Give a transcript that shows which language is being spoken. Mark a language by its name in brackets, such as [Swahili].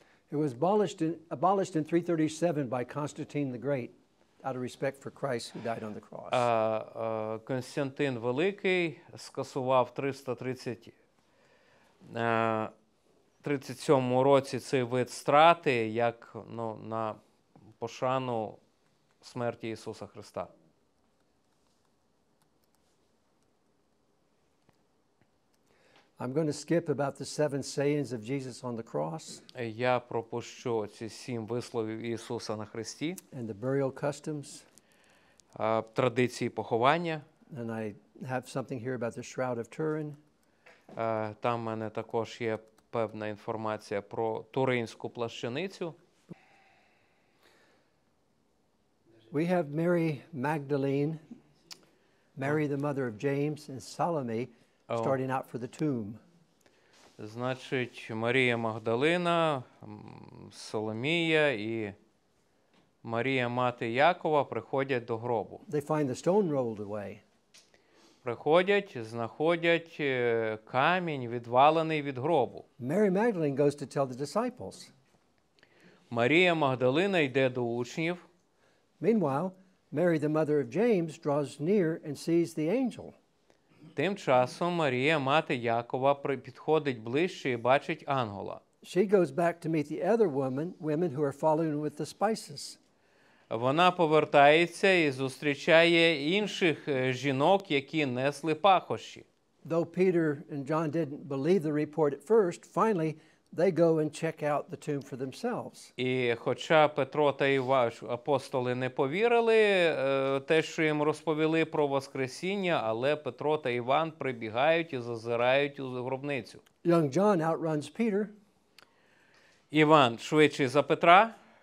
[English] It was abolished in 337 by Constantine the Great out of respect for Christ who died on the cross. [Ukrainian] Константин Великий скасував в 337 році цей вид страти як, ну, на пошану смерті Ісуса Христа. [English] I'm going to skip about the seven sayings of Jesus on the cross. [Ukrainian] Я пропущу ці сім висловів Ісуса на хресті. [English] And the burial customs. [Ukrainian] Традиції поховання. [English] And I have something here about the shroud of Turin. [Ukrainian] Там у мене також є певна інформація про Туринську плащаницю. [English] We have Mary Magdalene, Mary the mother of James and Salome. Starting out for the tomb. [Ukrainian] Значить, Марія Магдалина, Соломія і Марія мати Якова приходять до гробу. [English] They find the stone rolled away. [Ukrainian] Приходять, знаходять камінь відвалений від гробу. [English] Mary Magdalene goes to tell the disciples. [Ukrainian] Марія Магдалина йде до учнів. [English] Meanwhile, Mary the mother of James draws near and sees the angel. [Ukrainian] Тим часом Марія, мати Якова, підходить ближче і бачить ангела. [English] She goes back to meet the other women who are following with the spices. [Ukrainian] Вона повертається і зустрічає інших жінок, які несли пахощі. [English] Though Peter and John didn't believe the report at first, finally they go and check out the tomb for themselves. [Ukrainian] І хоча Петро та Іван, апостоли, не повірили те, що їм розповіли про воскресіння, але Петро та Іван прибігають і зазирають у гробницю. [English] Young John outruns Peter. [Ukrainian] Іван швидше за Петра.